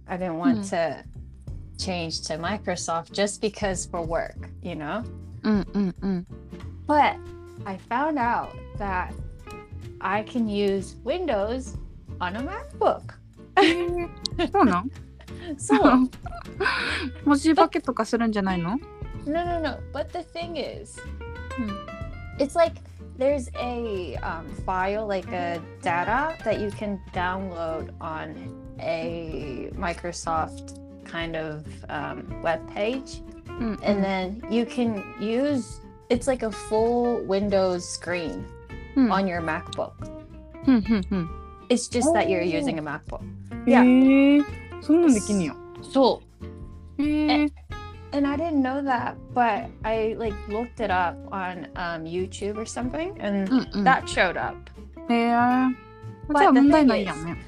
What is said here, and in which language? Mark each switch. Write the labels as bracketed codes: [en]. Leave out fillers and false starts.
[en] I didn't want、うん、to change to Microsoft just because for work, you know?、うんうんうん、 But I found out that I can use Windows on a MacBook. [ja] そうなん？そう。文字化けとかするんじゃないの？ [en] No, no, no. But the thing is,、hmm. it's like there's a、file, like a data that you can download on a Microsoft kind of、web page.、 Mm-hmm. And then you can use, it's like a full Windows screen、 hmm. on your MacBook. Mm-hmm. It's just、oh. that you're using a MacBook. [ja] Yeah. そんなんできんよ。そう。 [en] And I didn't know that, but I like looked it up on、YouTube or something, and、うんうん、that showed up. [ja] じゃあ問題ないやんね。